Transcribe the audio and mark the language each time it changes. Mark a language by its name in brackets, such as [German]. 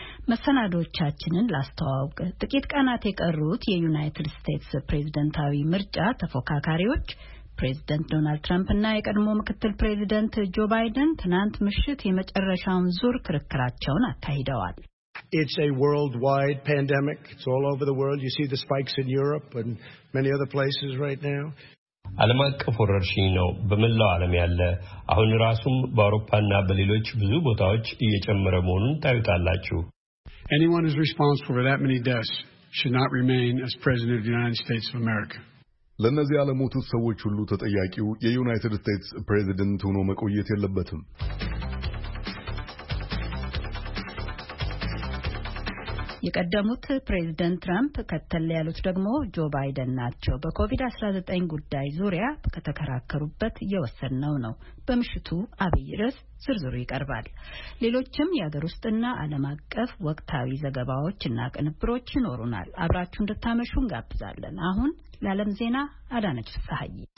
[Amharic] መሰናዶቻችንን ላስተዋውቅ። ጥቂት ቀናት የቀሩት የዩናይትድ ስቴትስ ፕሬዝዳንታዊ ምርጫ ተፎካካሪዎች ፕሬዝዳንት ዶናልድ ትራምፕ እና የቀድሞ ምክትል ፕሬዝዳንት ጆ ባይደን ትናንት ምሽት የመጨረሻውን ዙር ክርክራቸውን አካሂደዋል። [English] It's a worldwide pandemic. It's all over the world. You see the spikes in Europe and many other places right now. [Amharic] ዓለም አቀፍ ወረርሽኝ ነው በመላው ዓለም ያለ። አሁን ራሱም በአውሮፓና በሌሎች ብዙ ቦታዎች እየጨመረ መሆኑን ታዩታላችሁ። [English] Anyone who is responsible for that many deaths should not remain as president of the United States of America. [Amharic] ለነዚህ ዓለሙት ሰዎች ሁሉ ተጠያቂው የዩናይትድ ስቴትስ ፕሬዝዳንት ሆኖ መቆየት የለበትም። የቀደሙት ፕሬዝዳንት ትራምፕ ከተለ ያሉት ደግሞ ጆ ባይደን ናቸው። በኮቪድ-19 ጉዳይ ዙሪያ ከተከራከሩበት የወሰነው ነው። በምሽቱ አብይ ርዕስ ዝርዝሩ ይቀርባል። ሌሎችም ያገር ውስጥና ዓለም አቀፍ ወቅታዊ ዘገባዎችና ቅንብሮች ይኖሩናል። አብራችሁ እንድታመሹ እንጋብዛለን። አሁን ለዓለም ዜና አዳነች ፍሳሐይ።